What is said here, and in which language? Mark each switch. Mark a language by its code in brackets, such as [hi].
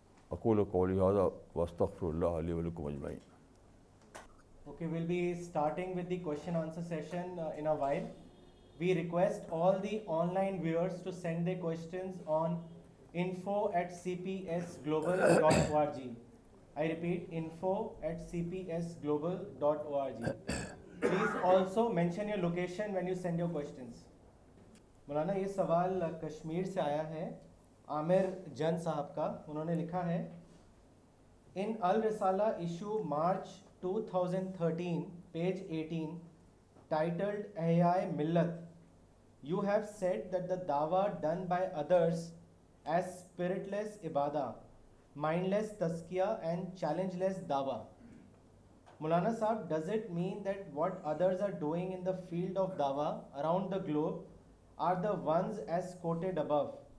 [ar] اقول قولی ھذا واستغفر اللہ لی ولکم اجمعین. [en] Okay, we'll be starting with the question answer session in a while. We request all the online viewers to send the questions on info@cpsglobal.org. I repeat, info@cpsglobal.org. Please also mention your location when you send your questions. [ur] مولانا, یہ سوال کشمیر سے آیا ہے عامر جن صاحب کا. انہوں نے لکھا ہے, [en] In Al-Risala issue March 2013 page 18 titled Ihya Millat, you have said that the dawa done by others as spiritless ibadah, mindless tazkiyah and challengeless dawa. Mulana sahab, does it mean that what others are doing in the field of dawa around the globe are the ones as quoted above?